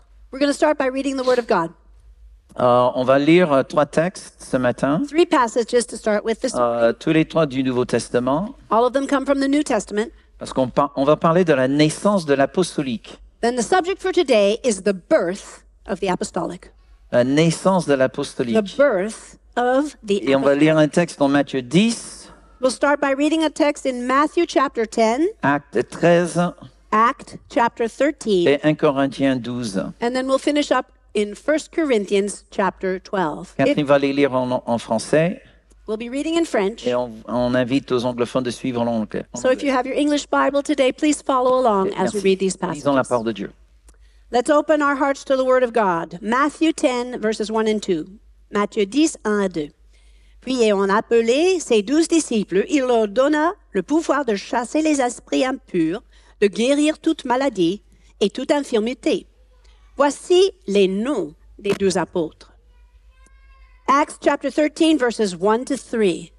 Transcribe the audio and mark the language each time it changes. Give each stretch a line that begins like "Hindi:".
English: We're going to start by reading the word of God.
French: On va lire trois textes ce matin.
English: Three passages to start with this morning.
French: Tous les trois du Nouveau Testament.
English: All of them come from the New Testament.
French: Parce qu'on on va parler de la naissance de l'apostolique.
English: Then the subject for today is the birth of the apostolic.
French: La naissance de l'apostolique.
English: The birth of the apostolic.
French: Et on va lire un texte dans Matthieu 10.
English: We'll start by reading a text in Matthew chapter 10.
French: Acte 13.
English: Act chapter 13.
French: Et 1 Corinthiens 12.
English: And then we'll finish up in 1 Corinthians chapter 12.
French: Kathryn va les lire en français.
English: We'll be reading in French.
French: Et on invite aux anglophones de suivre en anglais.
English: So if you have your English Bible today, please follow along as we read these passages.
French: Lisons la parole de Dieu.
English: Let's open our hearts to the word of God. Matthew 10, verses 1 and 2. Matthieu 10, 1 à 2.
French: Puis ayant appelé ses douze disciples, il leur donna le pouvoir de chasser les esprits impurs, de guérir toute maladie et toute infirmité. Voici les noms des douze apôtres. Acts chapter 13, verses 1 to 3.